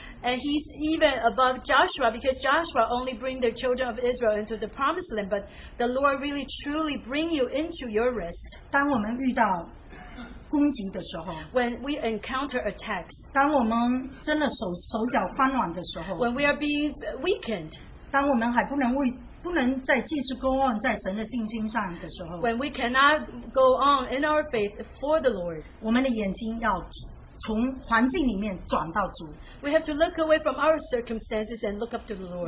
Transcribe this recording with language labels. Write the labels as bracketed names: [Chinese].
[English] And he's even above Joshua, because Joshua only bring the children of Israel into the promised land, but the Lord really truly bring you into your rest. [Chinese] 当我们遇到攻击的时候, [English] when we encounter attacks, [Chinese] 当我们真的手脚翻软的时候, [English] when we are being weakened, [Chinese] 当我们还不能继续 [English] go on [Chinese] 在神的信心上的时候, [English] when we cannot go on in our faith for the Lord, [Chinese] 我们的眼睛要 从环境里面转到主, [English] we have to look away from our circumstances and look up to the Lord.